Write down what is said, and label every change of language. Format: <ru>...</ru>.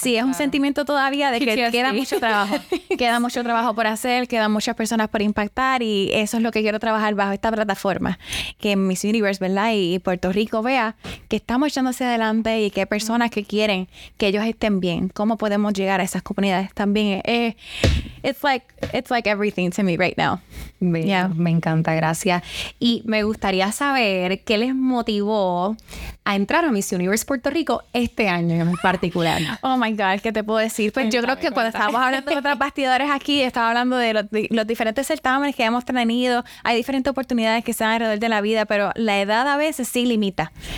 <es>Sí, es claro. Un sentimiento todavía de que queda mucho trabajo. Queda mucho trabajo por hacer, quedan muchas personas por impactar y eso es lo que quiero trabajar bajo esta plataforma. Forma que Miss Universe, ¿verdad? Y Puerto Rico vea que estamos echándose adelante y que hay personas que quieren que ellos estén bien. ¿Cómo podemos llegar a esas comunidades también?</es> <en>It's like everything to me right now.</en> <es>Bien, yeah. Me encanta, gracias. Y me gustaría saber qué les motivó a entrar a Miss Universe Puerto Rico este año en particular.</es> <en>Oh my God,</en> <es>¿qué te puedo decir? Pues yo creo que cuando estábamos hablando de otras bastidores aquí, estaba hablando de los diferentes certámenes que hemos tenido. Hay diferentes oportunidades que se dan alrededor de la vida, pero la edad a veces sí limita.</es>